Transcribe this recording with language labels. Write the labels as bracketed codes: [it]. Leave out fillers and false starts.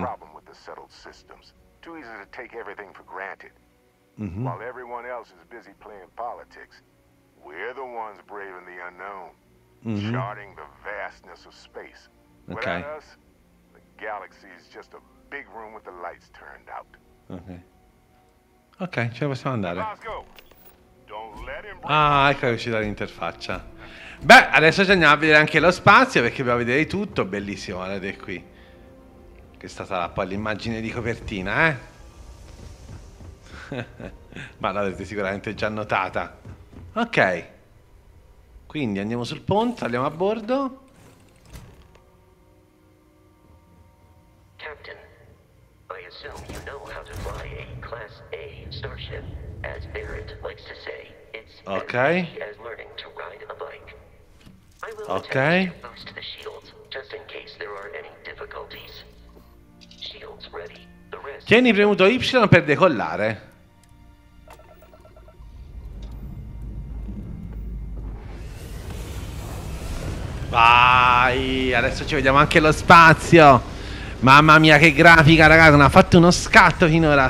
[en] While everyone else is busy playing politics, we're the ones braving the unknown. mm-hmm. charting the vastness of space. Okay. Without us, the galaxy is just a big room with the lights turned out. [it] Okay, ci possiamo andare. [en] Don't let him [it] ecco, è uscita l'interfaccia. Beh, adesso ci andiamo a vedere anche lo spazio, perché dobbiamo vedere tutto. Bellissimo, guardate qui. Che è stata poi l'immagine di copertina, eh? Ma l'avete sicuramente già notata. Ok. Quindi andiamo sul ponte, andiamo a bordo. [en] Captain, I assume you know how to fly a Class A starship, as Barrett likes to say. It's okay. As learning to ride a bike. I will okay. attempt to boost the shields, just in case there are any difficulties. Shields ready. The rest. [it] Tieni premuto Y per decollare. Vai, adesso ci vediamo anche lo spazio. Mamma mia, che grafica, ragazzi. Non ha fatto uno scatto finora.